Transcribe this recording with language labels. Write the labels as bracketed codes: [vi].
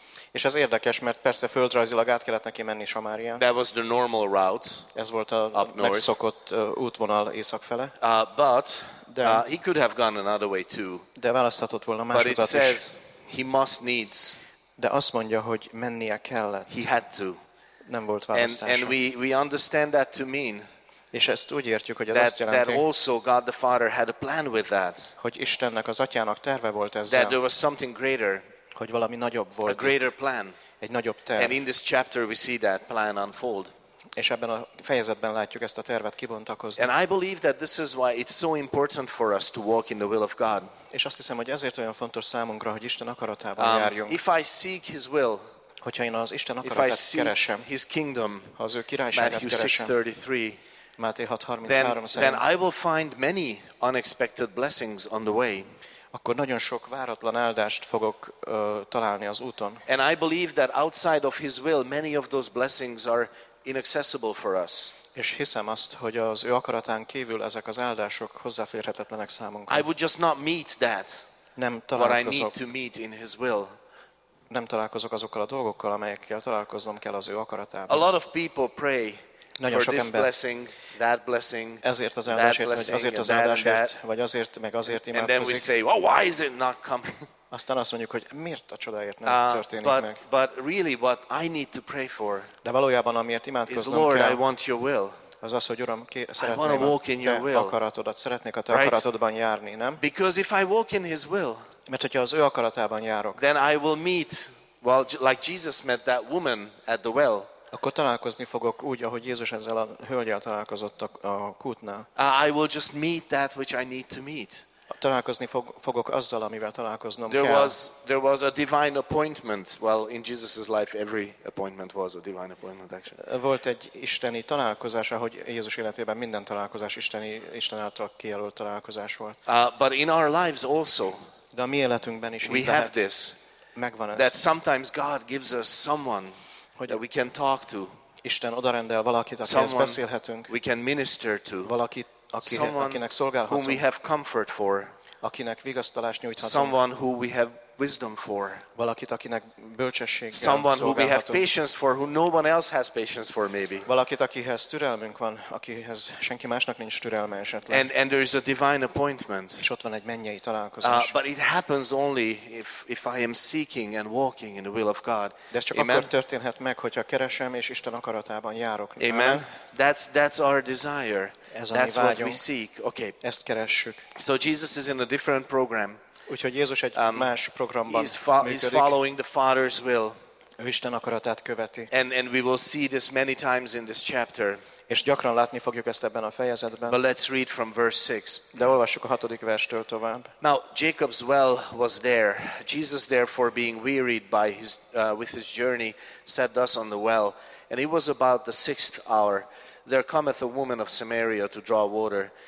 [hu] És ez érdekes, mert persze földrajzilag át kellett neki menni Samárián. [en] That was the normal route. [hu] Ez volt a megszokott útvonal északfele. [en] But he could have gone another way too. [hu] De választhatott volna más utat is. [en] But it says he must needs. [hu] De azt mondja, hogy mennie kellett. [en] He had to. [hu] Nem volt választása. [en] And we understand that to mean. [hu] És ezt úgy értjük, hogy ez azt jelenti, [en] that also God the Father had a plan with that. [hu] Hogy Istennek, az Atyának terve volt ezzel. [en] That there was something greater. [hu] Hogy valami nagyobb volt. [en] A greater plan. [hu] Egy nagyobb terv. [en] And in this chapter we see that plan unfold. [hu] És ebben a fejezetben látjuk ezt a tervet kibontakozni. [en] And I believe that this is why it's so important for us to walk in the will of God. [hu] És azt hiszem, hogy ezért olyan fontos számunkra, hogy Isten akaratában járjunk. [en] If I seek his will, [hu] hogyha én az Isten akaratát keresem, [en] his kingdom, [hu] ha az ő királyságát [en] Matthew [hu] keresem, [en] 6:33, [hu] Máté 6:33, [en] then I will find many unexpected blessings on the way. [hu] Akkor nagyon sok váratlan áldást fogok találni az úton. [en] And I believe that outside of his will, many of those blessings are inaccessible for us. [hu] És hiszem azt, hogy az ő akaratán kívül ezek az áldások hozzáférhetetlenek számunkra. [en] I would just not meet that. [hu] Nem találkozok. [en] What I need to meet in his will. [hu] Nem találkozok azokkal a dolgokkal, amelyekkel találkoznom kell az ő akaratában. [en] A lot of people pray [hu] nagyon [en] for this blessing, that blessing, [hu] ezért az áldásért, vagy azért az áldásért, vagy azért, meg azért imádkozik. [en] And then we say, well, why is it not coming? [hu] Aztán azt mondjuk, hogy miért a csodáért nem történik meg. [en] But really what I need to pray for, [hu] de valójában amiért imádkoznom [en] is, Lord, [hu] kell, [en] I want your will. [hu] Az az, hogy Uram, szeretném a te akaratodat, szeretnék a te akaratodban járni, nem? [en] Because if I walk in his will, [hu] mert hogyha az ő akaratában járok, [en] then I will meet, well, like Jesus met that woman at the well, [hu] akkor találkozni fogok úgy, ahogy Jézus ezzel a hölgyel találkozott a kútnál. [en] I will just meet that which I need to meet. [hu] Találkozni fogok azzal, amivel találkoznom [en] there [hu] kell. [en] There was a divine appointment. Well, in Jesus' life every appointment was a divine appointment, actually. [hu] Volt egy isteni találkozás, ahogy Jézus életében minden találkozás isteni, Isten által kijelölt találkozás volt. [en] But in our lives also, [hu] de a mi életünkben is [en] we have this, [hu] megvan ez. [en] That sometimes God gives us someone that we can talk to. [hu] Isten odarendel valakit, akihez beszélhetünk. [en] We can minister to. [hu] Valakit, akinek szolgálhatunk. [en] Whom we have comfort for. [hu] Akinek vigasztalást nyújthatunk. [en] Someone who we have wisdom for. [hu] Valakit, akinek bölcsességgel [en] someone [hu] szolgálhatunk. [en] Someone who we have patience for, who no one else has patience for, maybe. [hu] Valakit, akihez türelmünk van, akihez senki másnak nincs türelme esetleg. [en] And there is a divine appointment. [hu] És ott van egy mennyei találkozás. [en] But it happens only if I am seeking and walking in the will of God. [hu] De ez csak [en] amen? [hu] Akkor történhet meg, hogyha keresem és Isten akaratában járok. [en] Amen. That's our desire. [hu] Ez [en] that's [hu] vágyunk. [en] What we seek. Okay. [hu] Ezt keressük. [en] So Jesus is in a different program. [hu] Úgyhogy Jézus egy más programban [en] is following the Father's will. [hu] Ő Isten akaratát követi. [en] And we will see this many times in this chapter. [hu] És gyakran látni fogjuk ezt ebben a fejezetben. [en] But let's read from verse 6. [hu] De olvassuk a hatodik verstől tovább. [en] Now Jacob's well was there. Jesus therefore being wearied by his with his journey sat thus on the well. And it was about the sixth hour. There cometh a woman of Samaria to draw water.